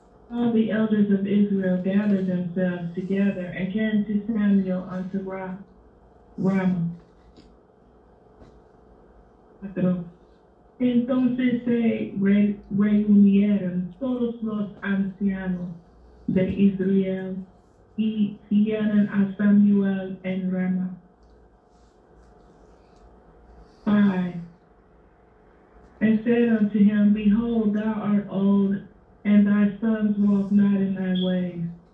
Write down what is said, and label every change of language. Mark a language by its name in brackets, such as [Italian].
[English] All the elders of Israel gathered themselves together and came to Samuel unto Ramah. [Spanish] Entonces se reunieron todos los ancianos de Israel y siguieron a Samuel en Ramah. [English] 5. And said unto him, Behold, thou art old, and thy sons walk not in thy ways.